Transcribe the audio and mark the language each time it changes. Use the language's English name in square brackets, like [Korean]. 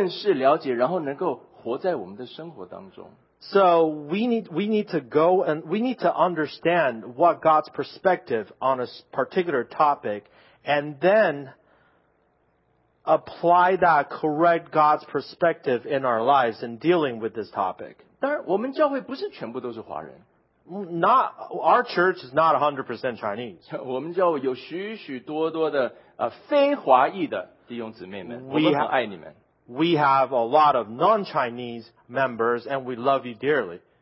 [Chinese] 但是我们要看见神的话对一件事情上面有什么样的评价和原则的时候，我们要怎么样子能够去认识、了解，然后能够活在我们的生活当中。 [English] So we need to understand what God's perspective on a particular topic and then apply that correct God's perspective in our lives in dealing with this topic. [Chinese] 当然我们教会不是全部都是华人。 [English] Our church is not 100% Chinese. [Chinese] 我们教会有许许多多的非华裔的弟兄姊妹们，我们很爱你们。 [English] We have a lot of non-Chinese members, and we love you dearly.